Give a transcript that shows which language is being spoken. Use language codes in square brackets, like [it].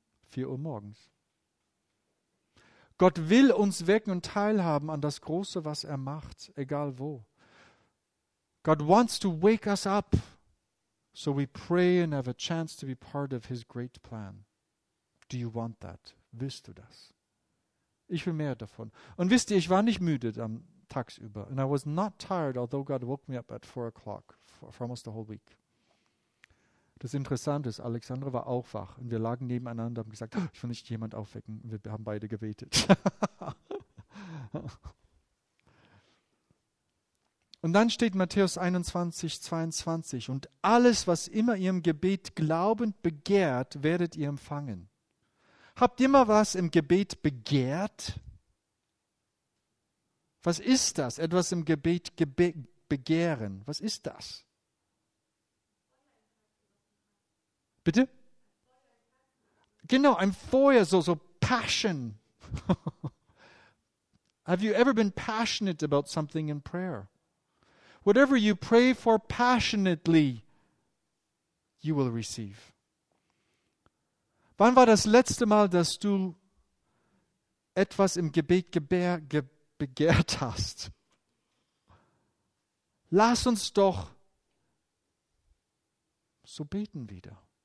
[de] 4 Uhr morgens. Gott will uns wecken und teilhaben an das Große, was er macht, egal wo. [en] God wants to wake us up, so we pray and have a chance to be part of his great plan. Do you want that? [de] Willst du das? Ich will mehr davon. Und wisst ihr, ich war nicht müde am tagsüber. [en] And I was not tired, although God woke me up at 4 o'clock for almost the whole week. [de] Das Interessante ist, Alexandra war auch wach und wir lagen nebeneinander und gesagt, ich will nicht jemand aufwecken. Und wir haben beide gebetet. Und dann steht Matthäus 21, 22 und alles, was immer ihr im Gebet glaubend begehrt, werdet ihr empfangen. Habt ihr mal was im Gebet begehrt? Was ist das? Etwas im Gebet begehren. Was ist das? Bitte? Genau, ein Feuer, so Passion. [en] Have you ever been passionate about something in prayer? Whatever you pray for passionately, you will receive. [de] Wann war das letzte Mal, dass du etwas im Gebet begehrt hast? Lass uns doch so beten wieder.